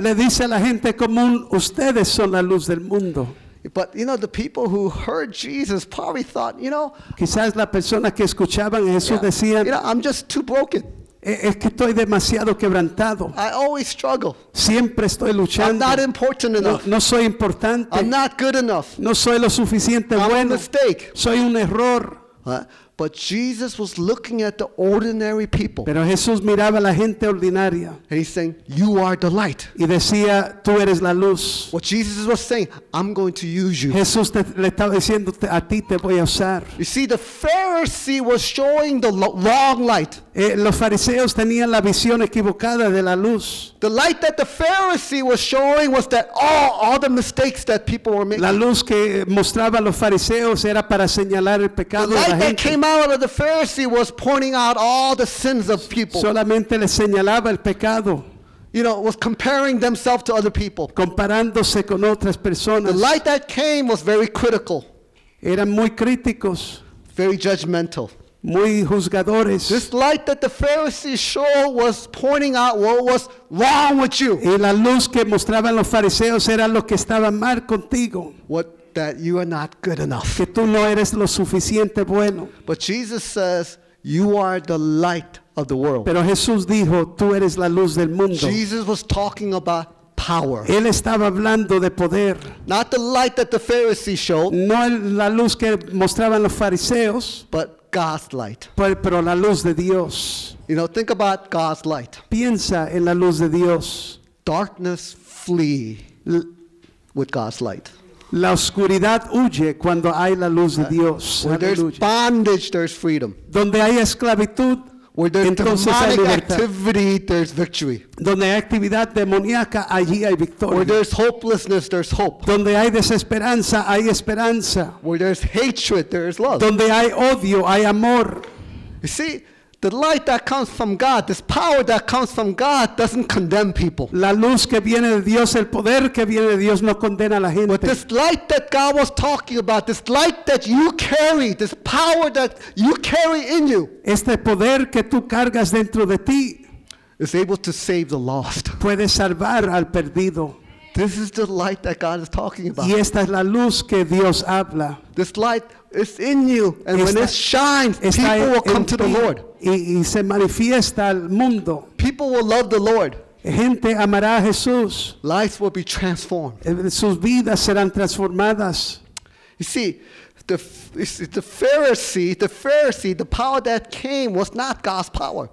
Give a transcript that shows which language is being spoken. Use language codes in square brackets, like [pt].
[es] Le dice a la gente común, ustedes son la luz del mundo. [en] But you know, the people who heard Jesus probably thought, you know, [es] quizás la persona que escuchaban a Jesús decían, [en] you know, I'm just too broken. [es] Es que estoy demasiado quebrantado. [en] I always struggle. [es] Siempre estoy luchando. [en] I'm not important enough. [es] No soy importante. [en] I'm not good enough. [es] No soy lo suficiente [en] I'm [es] bueno. [en] A mistake. [es] Soy un error. [en] But Jesus was looking at the ordinary people. [es] Pero Jesús miraba a la gente ordinaria. [en] And he's saying, "You are the light." [es] Y decía, "Tú eres la luz." [en] What Jesus was saying, "I'm going to use you." [es] Jesús le estaba diciendo, "A ti te voy a usar." [en] You see, the Pharisee was showing the wrong light. [es] Los fariseos tenían la visión equivocada de la luz. [en] The light that the Pharisee was showing was that all the mistakes that people were making. [es] La luz que mostraba los fariseos era para señalar el pecado de la gente. [en] The light that came out of the Pharisee was pointing out all the sins of people. [es] Solamente le señalaba el pecado. [en] You know, was comparing themselves to other people. [es] Comparándose con otras personas. [en] The light that came was very critical. [es] Eran muy críticos. [en] Very judgmental. [es] Muy juzgadores. [en] This light that the Pharisees showed was pointing out what was wrong with you. [es] Y la luz que mostraban los fariseos era lo que estaba mal contigo. [en] What that you are not good enough. [es] Que tú no eres lo suficiente bueno. [en] But Jesus says, "You are the light of the world." [es] Pero Jesús dijo, "Tú eres la luz del mundo." [en] Jesus was talking about power. [es] Él estaba hablando de poder. [en] Not the light that the Pharisees showed. [es] No la luz que mostraban los fariseos. [en] But God's light. [es] Pero la luz de Dios. [en] You know, think about God's light. [es] Piensa en la luz de Dios. [en] Darkness flee with God's light. [es] La oscuridad huye cuando hay la luz de Dios. [en] Where there's bondage, there's freedom. [es] Donde hay esclavitud, [en] where there's [es] entonces hay libertad. [en] Activity, there's victory. [es] Donde hay actividad demoníaca, allí hay victoria. [en] Where there's hopelessness, there's hope. [es] Donde hay desesperanza, hay esperanza. [en] Where there's hatred, there's love. [es] Donde hay odio, hay amor. [en] You see, the light that comes from God, this power that comes from God, doesn't condemn people. [es] La luz que viene de Dios, el poder que viene de Dios, no condena a la gente. [en] But this light that God was talking about, this light that you carry, this power that you carry in you, [es] este poder que tú cargas dentro de ti, [en] is able to save the lost. [es] Puede salvar al perdido. [en] This is the light that God is talking about. [es] Y esta es la luz que Dios habla. [en] This light is in you, and when it shines, people will come to the Lord. [es] Y se manifiesta al mundo. [en] People will love the Lord. [es] Gente amará a Jesús. [en] Life will be transformed. [es] Sus vidas serán transformadas. [en] You see, the Pharisee, the power that came was not God's power.